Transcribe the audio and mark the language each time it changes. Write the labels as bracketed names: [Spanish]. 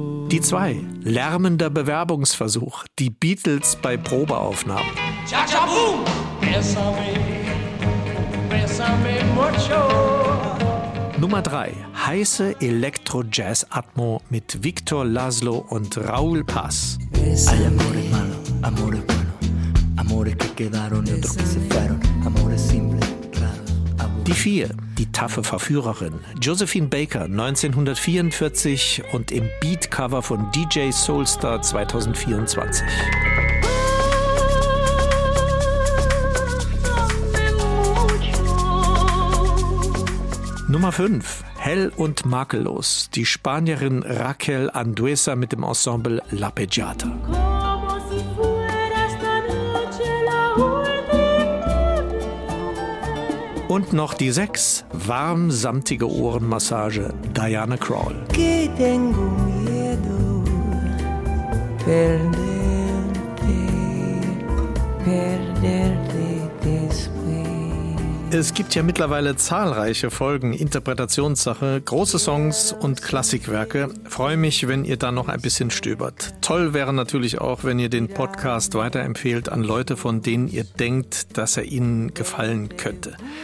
[German] Die 2, lärmender Bewerbungsversuch. Die Beatles bei Probeaufnahmen. [Spanish] Cha-cha, boom! Bésame, bésame mucho. [German] Nummer 3, heiße Elektro-Jazz-Atmo mit Victor Laszlo und Raúl Paz. [Spanish] Hay amores malos, amores buenos, amores que quedaron y otros que se fueron, amores simples. [German] Die 4, die taffe Verführerin, Josephine Baker 1944 und im Beatcover von DJ Soulstar 2024. Nummer 5, hell und makellos, die Spanierin Raquel Andueza mit dem Ensemble La Peggiata. Und noch die 6, warm samtige Ohrenmassage, Diana Krall. [Spanish] Que tengo miedo, perderte, perderte después. [German] Es gibt ja mittlerweile zahlreiche Folgen, Interpretationssache, große Songs und Klassikwerke. Freue mich, wenn ihr da noch ein bisschen stöbert. Toll wäre natürlich auch, wenn ihr den Podcast weiterempfehlt an Leute, von denen ihr denkt, dass er ihnen gefallen könnte.